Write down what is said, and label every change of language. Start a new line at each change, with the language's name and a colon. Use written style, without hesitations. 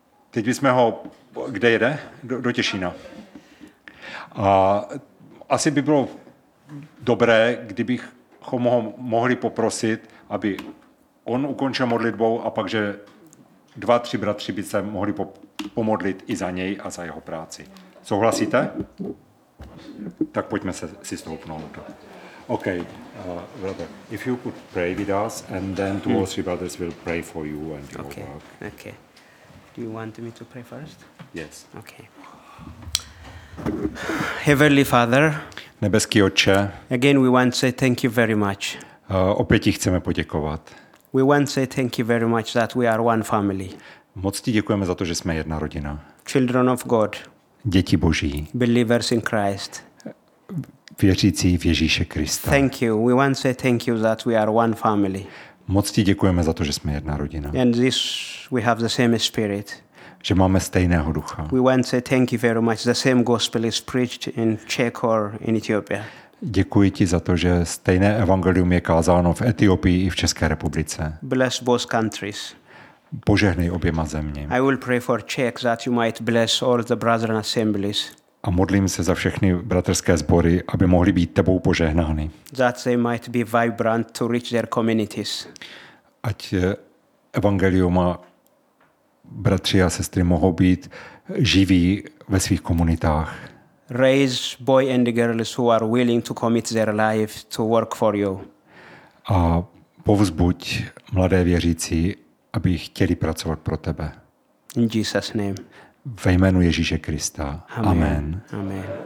Czech: Teď bychom ho, kde jede? Do Těšína. A asi by bylo dobré, kdybychom ho mohli poprosit, aby on ukončil modlitbou a pak, že 2-3 bratři by se mohli pomodlit i za něj a za jeho práci. Souhlasíte? Tak pojďme si stoupnout.
English: OK, brother, if you could pray with us and then 2 or 3 brothers will pray for you and your okay. work. OK. You want me to pray first? Yes. Okay. Heavenly Father,
Czech: Nebeský Otče,
English: again we want to say thank you very much.
Czech: Opět ti chceme poděkovat.
English: We want to say thank you very much that we are one family.
Czech: Moc ti děkujeme za to, že jsme jedna rodina.
English: Children of God.
Czech: Děti Boží.
English: Believers in Christ.
Czech: Věřící v Ježíše Krista.
English: Thank you. We want to say thank you that we are one family.
Czech: Moc ti děkujeme za to, že jsme jedna rodina.
English: And this we have the same spirit.
Czech: Že máme stejného ducha.
English: We want to say thank you very much. The same gospel is preached in Czech or in Ethiopia.
Czech: Děkuji ti za to, že stejné evangelium je kázáno v Etiopii i v České republice.
English: Bless both countries.
Czech: Požehnej oběma zeměm.
English: I will pray for Czech that you might bless all the brethren assemblies.
Czech: A modlím se za všechny bratrské sbory, aby mohly být tebou požehnány.
English: That they might be vibrant to reach their communities.
Czech: Ať evangelium a bratři a sestry mohou být živí ve svých komunitách.
English: Raise boy and girls who are willing to commit their life to work for you.
Czech: A povzbuď mladé věřící, aby chtěli pracovat pro tebe.
English: In Jesus' name.
Czech: Ve jménu Ježíše Krista. Amen. Amen. Amen.